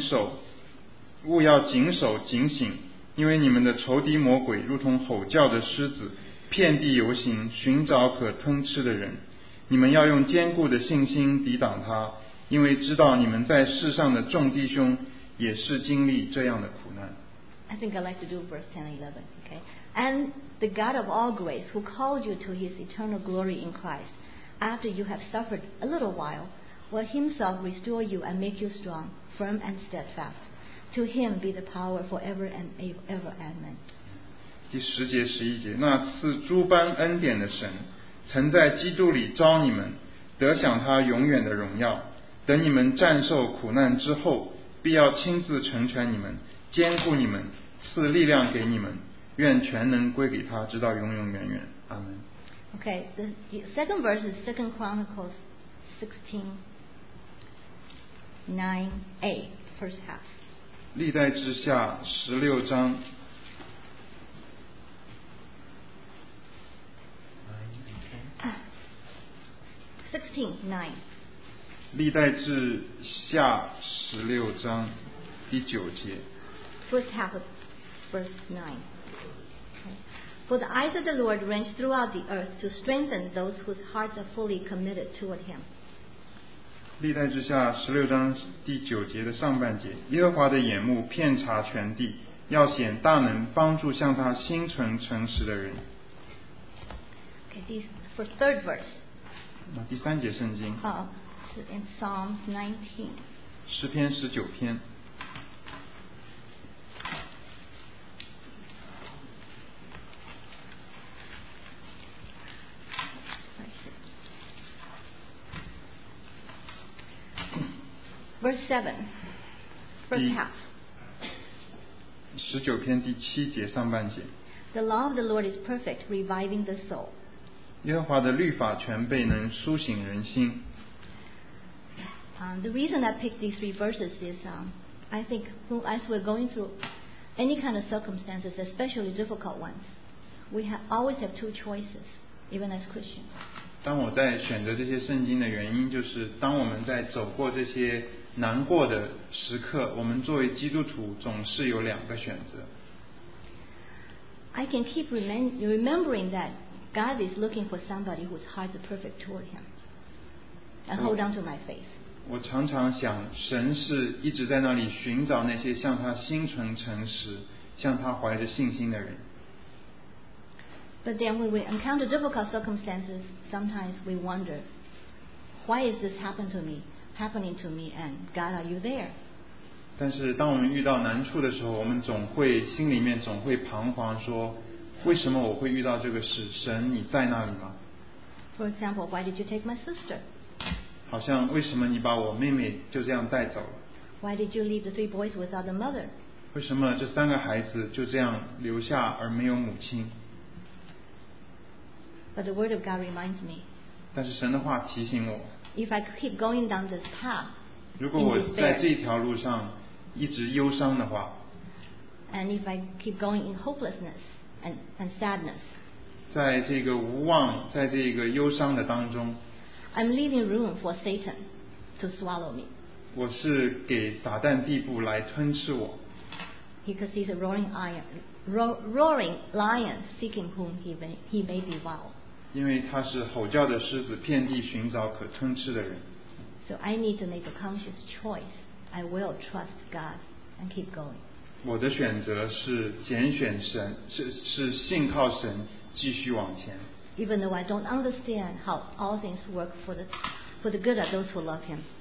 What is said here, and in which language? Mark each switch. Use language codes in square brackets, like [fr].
[zh] 所以你们要自卑伏在神大能的手下，到了时候他必叫你们升高，你们要将一切的忧虑卸给神，因为他顾念你们，务要谨守警醒。因为你们的仇敌魔鬼如同吼叫的狮子，遍地游行，寻找可吞吃的人。你们要用坚固的信心抵挡他，因为知道你们在世上的众弟兄也是经历这样的苦难。 [en] I think I'd like to do verse 10 and 11. Okay. And the God of all grace, who called you to his eternal glory in Christ, after you have suffered a little while, will himself restore you and make you strong, firm and steadfast. To him be the power forever and ever. Amen. [zh] 第十节、十一节，那赐诸般恩典的神，曾在基督里召你们，得享他永远的荣耀。等你们战受苦难之后，必要亲自成全你们，坚固你们，赐力量给你们。愿全能归给他，直到永永远远。 [en] Amen. Okay, the second verse is 2 Chronicles 16, 9a, first half. [zh] 历代之下十六章 16:9 历代之下十六章第九节 [en] First half of verse 9 For the eyes of the Lord range throughout the earth to strengthen those whose hearts are fully committed toward him. [zh] 历代之下十六章第九节的上半节，耶和华的眼目遍察全地，要显大能，帮助向他心存诚实的人。 [en] Okay, this for third verse. [zh] 那第三节圣经。 [en] 好、in Psalms 19. [zh] 诗篇十九篇。 [en] Verse 7, first half. [zh] 十九篇第七节上半节。 [en] The law of the Lord is perfect, reviving the soul. [zh] 耶和华的律法全备，能苏醒人心。 [en] The reason I picked these three verses is, I think, as we're going through any kind of circumstances, especially difficult ones, we always have two choices, even as Christians. [zh] 当我在选择这些圣经的原因，就是当我们在走过这些难过的时刻，我们作为基督徒总是有两个选择。 [en] I can keep remembering that God is looking for somebody whose heart is perfect toward Him, and hold on to my faith. [zh] 我常常想，神是一直在那里寻找那些向他心存诚实、向他怀着信心的人。 [en] But then, when we encounter difficult circumstances, sometimes we wonder, why is this happened to me? Happening to me, and God, are you there? [zh] 但是当我们遇到难处的时候，我们总会心里面总会彷徨，说为什么我会遇到这个事？神，你在那里吗？ [en] For example, why did you take my sister? [zh] 好像为什么你把我妹妹就这样带走了？ [en] Why did you leave the three boys without a mother? [zh] 为什么这三个孩子就这样留下而没有母亲？ [en] But the word of God reminds me. [zh] 但是神的话提醒我。 [en] If I keep going down this path, [zh] 如果我在这条路上一直忧伤的话 [en] and if I keep going in hopelessness and sadness, [zh] 在这个无望，在这个忧伤的当中 [en] I'm leaving room for Satan to swallow me. [zh] 我是给撒旦地步来吞噬我 [en] Because he's a roaring lion seeking whom he may devour. [zh] 因为他是吼叫的狮子，遍地寻找可吞吃的人。 [en] So I need to make a conscious choice. I will trust God and keep going. [zh] 我的选择是拣选神，是信靠神，继续往前。 [en] Even though I don't understand how all things work for the good of those who love Him,